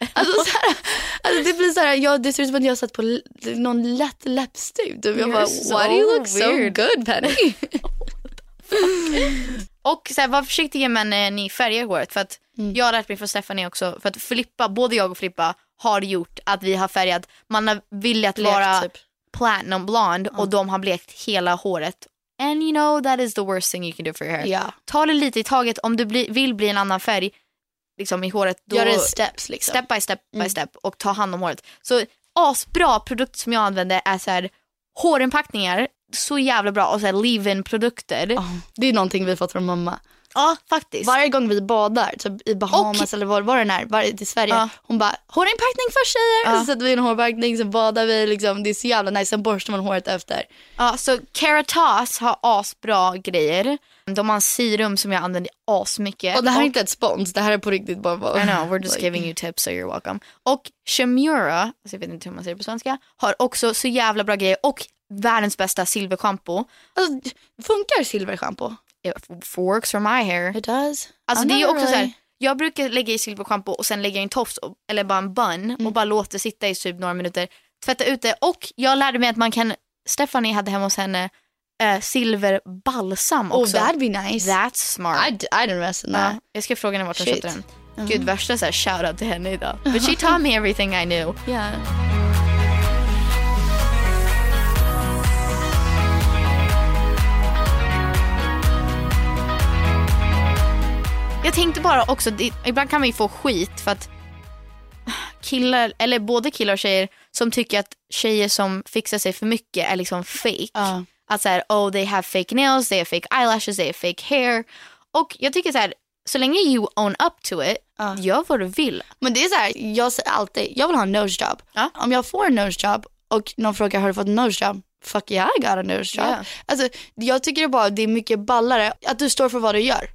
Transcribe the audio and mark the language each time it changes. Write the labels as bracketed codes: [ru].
[sv] Alltså, så här, alltså det blir så här, det ser ut som att jag har satt på någon lätt läppstift. Jag bara, [en] you're so why do you look weird. So good, Penny? What the fuck? [sv] Och så här, var försiktig med när ni färger håret. För att jag har lärt mig från Stephanie också. För att Filippa, både jag och Filippa har gjort att vi har färgat. Man har velat vara typ platinum blond. Mm. Och de har blekt hela håret. [en] And you know, that is the worst thing you can do for your hair. Yeah. [sv] Ta det lite i taget. Om du vill bli en annan färg liksom i håret. Då gör det steps liksom. [en] Step by step by step. [sv] Och ta hand om håret. Så asbra produkt som jag använder är så här, hårinpackningar. Så jävla bra. Och så här leave-in produkter. Oh, det är någonting vi fått från mamma. Ja, faktiskt. Varje gång vi badar, typ i Bahamas eller var den är, i Sverige. Ja. Hon bara, hårinpackning för tjejer. Ja. Så sätter vi en hårinpackning, så badar vi. Liksom. Det är så jävla nice. Sen borstar man håret efter. Ja, så Keratos har asbra grejer. De har en serum som jag använder asmycket. Och det här är inte ett spons. Det här är på riktigt bara... [en] I know, we're just giving you tips, so you're welcome. [sv] Och Shimura, alltså jag vet inte hur man säger det på svenska, har också så jävla bra grejer. Och världens bästa silverschampo. Alltså, funkar silverschampo? [en] It works for my hair. It does. [sv] Alltså, det är också [en] really... [sv] så här, jag brukar lägga i silverschampo och sen lägga in tofs eller bara en bun och bara låta det sitta i typ några minuter. Tvätta ut det. Och jag lärde mig att man kan... Stephanie hade hemma hos henne silverbalsam också. [en] Oh, that'd be nice. That's smart. I didn't mess in that. Nah, [sv] jag ska fråga henne vart hon köpte den. Gud, värsta så här, shout out till henne idag. [en] But she taught me everything I knew. Yeah. [sv] Jag tänkte bara också, ibland kan man ju få skit för att killar, eller både killar och tjejer som tycker att tjejer som fixar sig för mycket är liksom fake. Att såhär, [en] oh they have fake nails, they have fake eyelashes, they have fake hair. [sv] Och jag tycker såhär, så länge [en] you own up to it, [sv] gör vad du vill. Men det är såhär, jag säger alltid, jag vill ha en nose job. Om jag får en nose job och någon frågar, har du fått en nose job? [en] Fuck yeah, I got a nose job. Yeah. [sv] Alltså, jag tycker bara att det är mycket ballare att du står för vad du gör.